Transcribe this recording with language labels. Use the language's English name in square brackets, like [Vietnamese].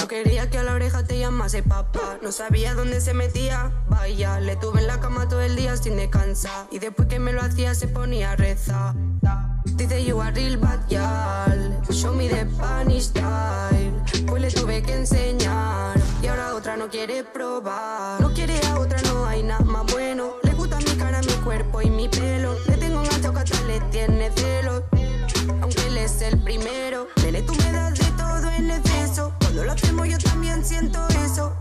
[Spanish] No quería que a la oreja te llamase papá. No sabía dónde se metía, vaya. Le tuve en la cama todo el día sin descansar. Y después que me lo hacía se ponía a rezar. [English] Dice, you are real bad girl. Show me the Spanish style. [Spanish] Pues le tuve que enseñar. Y ahora otra no quiere probar. No quiere a otra, no hay nada más bueno. Le gusta mi cara, mi cuerpo y mi pelo. Le tengo un gato que hasta le tiene celo. Aunque él es el primero. Dele, tú me das de todo en exceso. Cuando lo hacemos yo también siento eso.